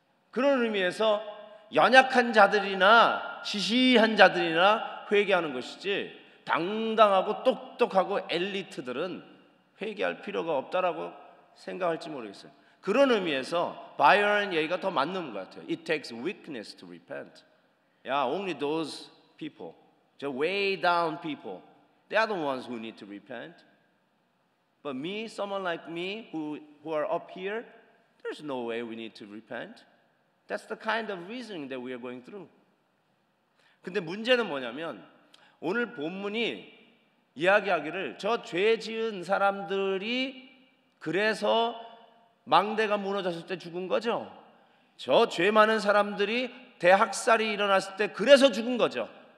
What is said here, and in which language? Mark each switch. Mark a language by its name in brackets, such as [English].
[Korean] 그런 의미에서 연약한 자들이나 시시한 자들이나 회개하는 것이지, 당당하고 똑똑하고 엘리트들은 회개할 필요가 없다라고 생각할지 모르겠어요. 그런 의미에서 바이런 얘기가 더 맞는 것 같아요. [English] It takes weakness to repent. Yeah, only those people, the way down people They are the ones who need to repent. But me, someone like me, who are up here, there's no way we need to repent. That's the kind of reasoning that we are going through. [Korean] 근데 문제는 뭐냐면 오늘 본문이 이야기하기를 저 죄 지은 사람들이 그래서 망대가 무너졌을 때 죽은 거죠. 저 죄 많은 사람들이 대학살이 일어났을 때 그래서 죽은 거죠.